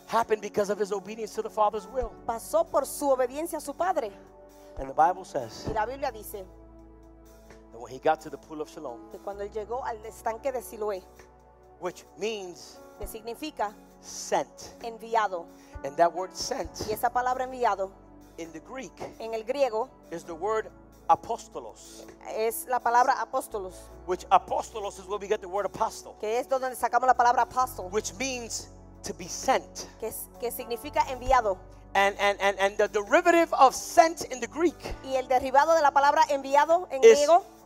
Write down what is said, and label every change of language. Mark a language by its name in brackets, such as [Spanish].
[English] Happened because of his obedience to the Father's will. [Spanish] Pasó por su obediencia a su padre. [English] And the Bible says. [Spanish] Y la Biblia dice. [English] When he got to the pool of Siloam, [Spanish] que cuando él llegó al estanque de Siloé, [English] which means [Spanish] que significa [English] sent, [Spanish] enviado, [English] and that word sent, [Spanish] y esa palabra enviado, [English] in the Greek, [Spanish] en el griego, [English] is the word apóstolos. [Spanish] Es la palabra apóstolos. [English] Which apostolos is where we get the word apostle. [Spanish] Que es donde sacamos la palabra apóstol. [English] Which means to be sent. [Spanish] Que significa enviado. [English] And the derivative of sent in the Greek. [Spanish] Y el derivado de la palabra enviado en griego.